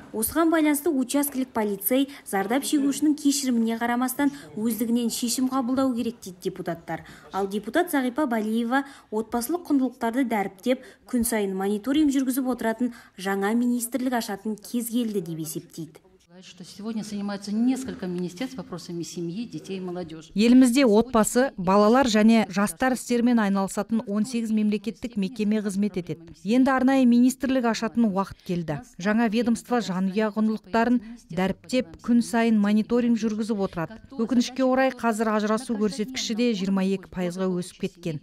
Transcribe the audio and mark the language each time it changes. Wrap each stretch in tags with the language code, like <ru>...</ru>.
<kk>Осыған байланысты учаскілік полицей зардап шегушінің кешіріміне қарамастан өздігінен шешім қабылдау керек дейді депутаттар. Ал депутат Зағипа Балиева отбасылық құндылықтарды дәріптеп, күн сайын мониторинг жүргізіп отыратын жаңа министрлік ашатын кез келді деп есептейді.</kk> <ru>Что сегодня занимаются несколько министерств вопросами семьи, детей и молодежи.</ru> <kk>Елімізде отбасы, балалар және жастар істерімен айналысатын 18 мемлекеттік мекеме қызмет етеді. Енді арнайы министрлік ашатын уақыт келді. Жаңа ведомство жанұя құндылықтарын дәріптеп, күн сайын мониторинг жүргізіп отырады. Өкінішке орай, қазір ажырасу көрсеткіші де 22%-ға өсіп кеткен.</kk>